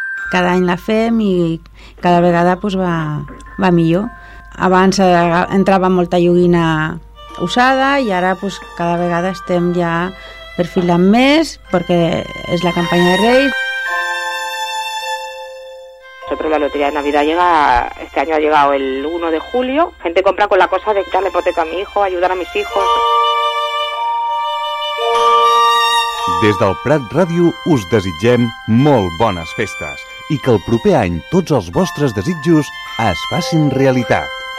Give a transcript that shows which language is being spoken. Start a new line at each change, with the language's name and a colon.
Catalan: Cada any la fem i cada vegada pues, va millor. Abans entrava molta joguina usada i ara pues, cada vegada estem ja perfilant més perquè és la campanya de Reis.
Spanish: Nosotros la lotería de Navidad llega, este año ha llegado el 1 de julio. Gente compra con la cosa de darle hipoteca a mi hijo, ayudar a mis hijos.
Catalan: Des del Prat Ràdio us desitgem molt bones festes i que el proper any tots els vostres desitjos es facin realitat.